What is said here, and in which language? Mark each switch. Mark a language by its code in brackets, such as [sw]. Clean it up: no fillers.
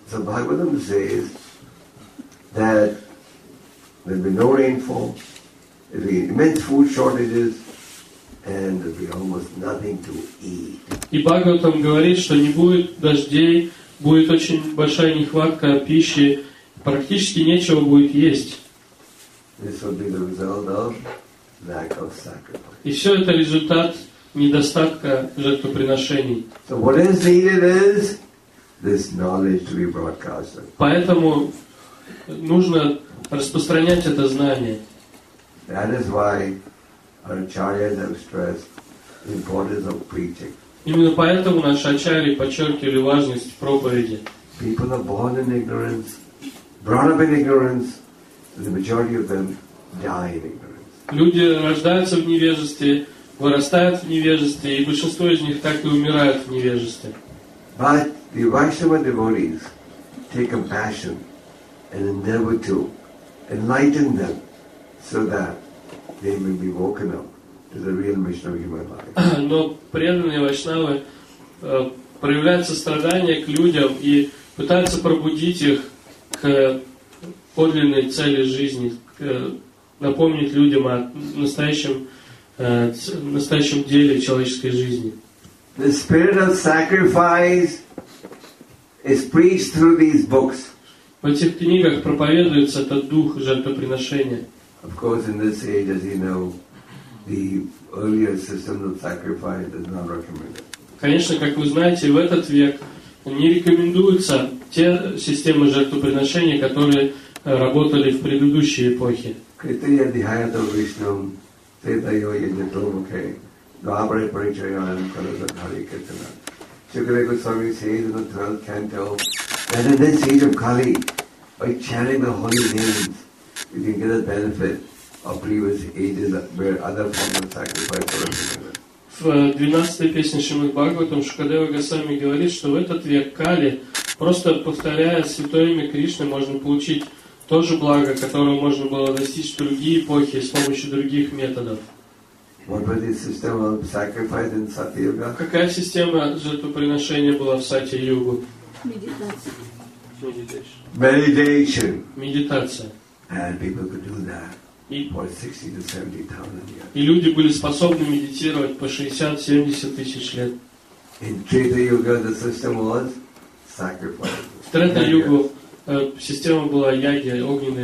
[en] So Bhagavatam says that there'll be no rainfall, there'll be immense food shortages, and there'll be almost nothing to eat. [ru] И Бхагаватам говорит, что не будет дождей, будет очень большая нехватка пищи, практически нечего будет есть. [en] This will be the result of lack of sacrifice. [ru] И все это результат недостатка жертвоприношений. [en] So what is needed is this knowledge to be broadcasted. [ru] Поэтому нужно распространять это знание. [en] That is why our acharyas have stressed the importance of preaching. [ru] Именно поэтому наши ачарьи подчеркивали важность проповеди. [en] People are born in ignorance, brought up in ignorance, and the majority of them die in ignorance. [ru] Люди рождаются в невежестве, вырастают в невежестве, и большинство из них так и умирают в невежестве. [en] But the Vaishnava devotees take compassion and endeavor to enlighten them so that they may be woken up to the real mission of human life. [ru] Но преданные вайшнавы проявляют сострадание к людям и пытаются пробудить их к подлинной цели жизни, к напомнить людям о настоящем деле человеческой жизни. [en] The spirit of sacrifice is preached through these books. [ru] В этих книгах проповедуется этот дух жертвоприношения. [en] Of course, in this age, as you know, the earlier system of sacrifice is not recommended. [ru] Конечно, как вы знаете, в этот век не рекомендуются те системы жертвоприношения, которые работали в предыдущие эпохи. [sa] Kritiya Dihayata Vishnam, Tetayo Yajatomukhe, Dvabhari Parichayan, Kalasat Hari Kirtana. [en] Shukare Goswami says in the 12th canto that in this age of Kali, by chanting the holy names, you can get the benefit of previous ages where other forms of sacrifice were recommended. [ru] В 12-й песне Шримад Бхагаватам Шукадева Госвами говорит, что в этот век Кали, просто повторяя святое имя Кришны, можно получить тоже благо, которого можно было достичь в другие эпохи с помощью других методов. [en] What was the system of sacrifice in Satyuga? [ru] Какая система жертвоприношения была в Сати-югу? [en] Meditation. [ru] Медитация. [en] And people could do that for 60 to 70 thousand years. [ru] И люди были способны медитировать по 60-70 тысяч лет. [en] In Treta-yuga the system was sacrifice. [ru] В Трета-югу система была яги, огненные